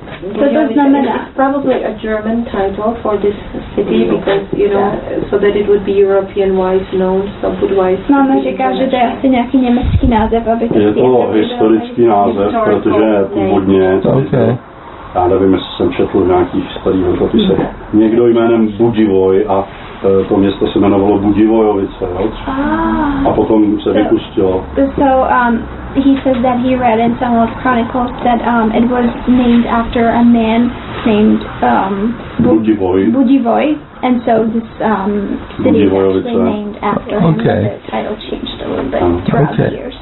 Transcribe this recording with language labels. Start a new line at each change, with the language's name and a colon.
English: It's probably a German title for this city because, you know, so that it would be European-wise known, so Budweis.
Czech: Máma říká, že to je asi nějaký německý název, aby to je to historický název, protože původně, já nevím, jestli jsem četl v nějakých starých životopisech, někdo jménem Budivoj a to město se jmenovalo Budivojovice, a potom se vypustilo.
English: So, he says that he read in some of the chronicles that it was named after a man named Budivoj, and so this city was actually named after him. Okay. The title changed a little bit throughout the years.